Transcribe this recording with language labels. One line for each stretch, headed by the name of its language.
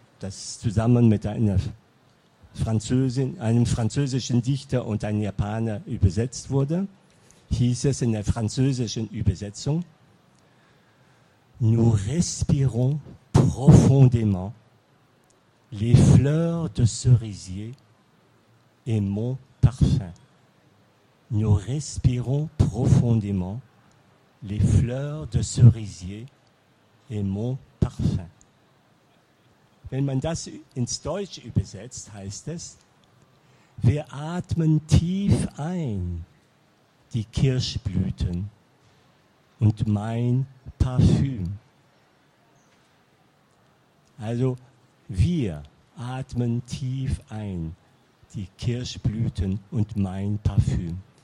German: das zusammen mit einer Französin, einem französischen Dichter und einem Japaner übersetzt wurde, hieß es in der französischen Übersetzung:
French: Nous respirons profondément les fleurs de cerisier et mon parfum. Nous respirons profondément les fleurs de cerisier et mon parfum.
German: Wenn man das ins Deutsch übersetzt, heißt es: Wir atmen tief ein die Kirschblüten und mein Parfüm. Also, wir atmen tief ein die Kirschblüten und mein Parfüm.